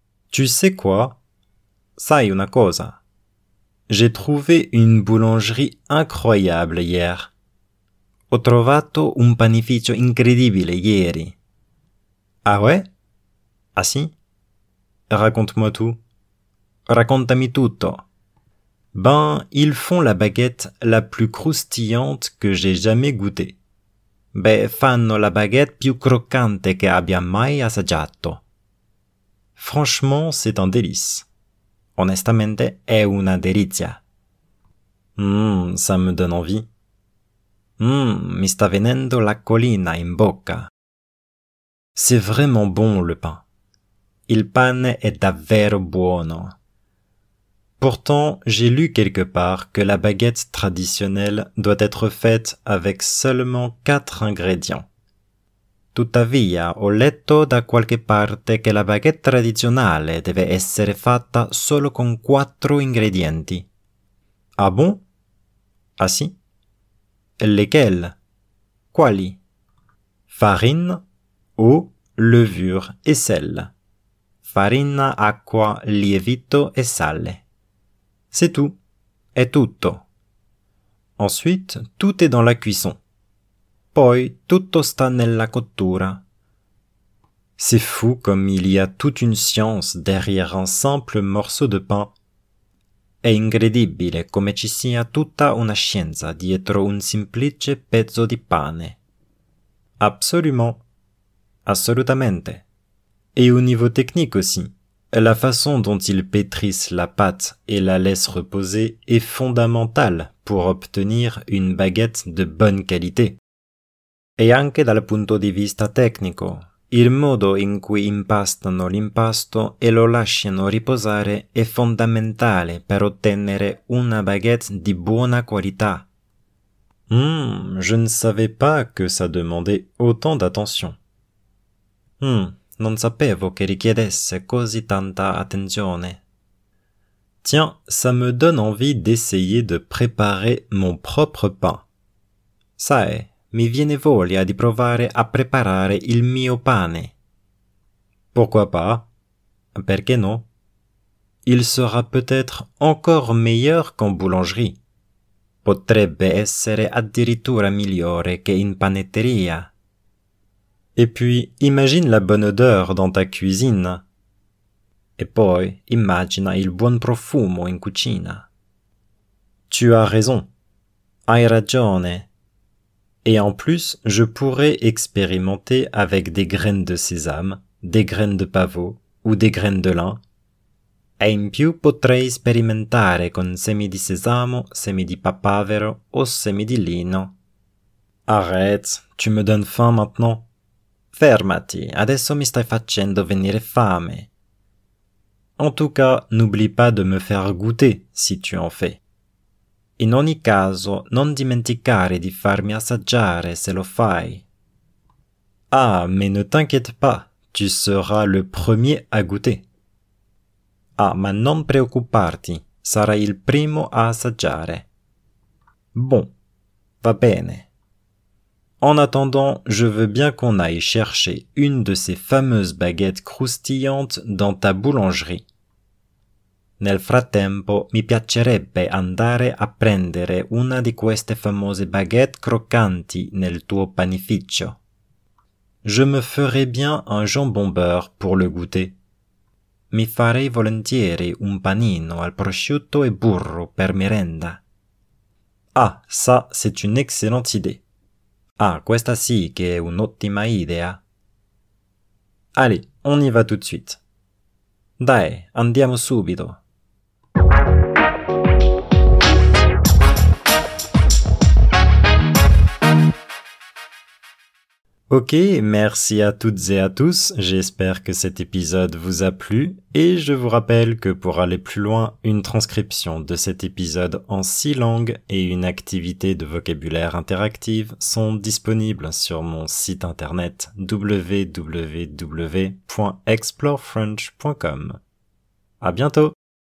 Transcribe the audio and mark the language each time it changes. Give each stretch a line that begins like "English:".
French: Tu sais quoi?
Italian: Sai una cosa.
French: J'ai trouvé une boulangerie incroyable hier.
Italian: Ho trovato un panificio incredibile ieri.
French: Ah ouais?
Italian: Ah si?
French: Raconte-moi tout.
Italian: Raccontami tutto.
French: Ben, ils font la baguette la plus croustillante que j'ai jamais goûtée.
Italian: Beh, fanno la baguette più croccante che abbia mai assaggiato.
French: Franchement, c'est un délice.
Italian: Onestamente, è una delizia.
French: Ça me donne envie.
Italian: Mi sta venendo l'acquolina in bocca.
French: C'est vraiment bon, le pain.
Italian: Il pane è davvero buono.
French: Pourtant, j'ai lu quelque part que la baguette traditionnelle doit être faite avec seulement 4 ingrédients.
Italian: Tuttavia, ho letto da qualche parte che la baguette tradizionale deve essere fatta solo con 4 ingredienti.
French: Ah bon?
Italian: Ah si?
French: Lesquels?
Italian: Quali?
French: Farine, eau, levure e sel.
Italian: Farina, acqua, lievito e sale.
French: C'est tout.
Italian: È tutto.
French: Ensuite, tout est dans la cuisson.
Italian: Poi, tutto sta nella cottura.
French: C'est fou comme il y a toute une science derrière un simple morceau de pain.
Italian: È incredibile come ci sia tutta una scienza dietro un semplice pezzo di pane.
French: Absolument.
Italian: Assolutamente.
French: Et au niveau technique aussi. La façon dont ils pétrissent la pâte et la laissent reposer est fondamentale pour obtenir une baguette de bonne qualité.
Italian: E anche dal punto di vista tecnico, il modo in cui impastano l'impasto e lo lasciano riposare è fondamentale per ottenere una baguette di buona qualità.
French: Je ne savais pas que ça demandait autant d'attention.
Italian: Non sapevo che richiedesse così tanta attenzione.
French: Tiens, ça me donne envie d'essayer de préparer mon propre pain.
Italian: Sai, mi viene voglia di provare a preparare il mio pane.
French: Pourquoi pas?
Italian: Perché no?
French: Il sera peut-être encore meilleur qu'en boulangerie.
Italian: Potrebbe essere addirittura migliore che in panetteria.
French: Et puis, imagine la bonne odeur dans ta cuisine.
Italian: E poi, immagina il buon profumo in cucina.
French: Tu as raison.
Italian: Hai ragione.
French: Et en plus, je pourrais expérimenter avec des graines de sésame, des graines de pavot ou des graines de lin.
Italian: E in più potrei sperimentare con semi di sesamo, semi di papavero o semi di lino.
French: Arrête, tu me donnes faim maintenant.
Italian: Fermati, adesso mi stai facendo venire fame.
French: En tout cas, n'oublie pas de me faire goûter si tu en fais.
Italian: In ogni caso, non dimenticare di farmi assaggiare se lo fai.
French: Ah, mais ne t'inquiète pas, tu seras le premier à goûter.
Italian: Ah, ma non preoccuparti, sarai il primo a assaggiare. Bon, va bene.
French: En attendant, je veux bien qu'on aille chercher une de ces fameuses baguettes croustillantes dans ta boulangerie.
Italian: Nel frattempo, mi piacerebbe andare a prendere una di queste famose baguette croccanti nel tuo panificio.
French: Je me ferai bien un jambon beurre pour le goûter.
Italian: Mi farei volentieri un panino al prosciutto e burro per merenda.
French: Ah, ça, c'est une excellente idée.
Italian: Ah, questa sì che è un'ottima idea.
French: Allez, on y va tout de suite.
Italian: Dai, andiamo subito.
French: Ok, merci à toutes et à tous, j'espère que cet épisode vous a plu, et je vous rappelle que pour aller plus loin, une transcription de cet épisode en 6 langues et une activité de vocabulaire interactive sont disponibles sur mon site internet www.explorefrench.com. À bientôt!